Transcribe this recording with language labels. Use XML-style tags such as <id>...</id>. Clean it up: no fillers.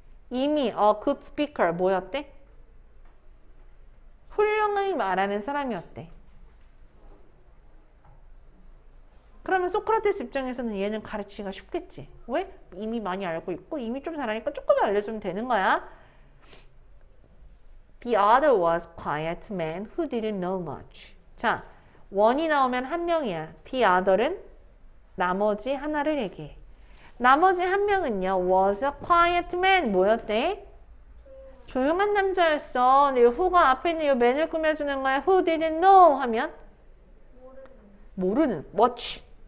<ko>이미</ko> <en>a good speaker</en> <ko>뭐였대? 훌륭히 말하는 사람이었대. 그러면 소크라테스 입장에서는 얘는 가르치기가 쉽겠지. 왜? 이미 많이 알고 있고 이미 좀 잘하니까 조금 알려주면 되는 거야.</ko> <en>The other was quiet man who didn't know much.</en> <ko>자, 원이 나오면 한 명이야.</ko> <en>The other</en> <ko>은 나머지 하나를 얘기해. 나머지 한 명은요.</ko> <en>Was a quiet man.</en> <ko>뭐였대? 조용한 남자였어. 근데 who가 앞에 있는 이 man을 꾸며주는 거야.</ko> <en>Who didn't know</en> <ko>하면? 모르는.</ko> <en>Much.</en>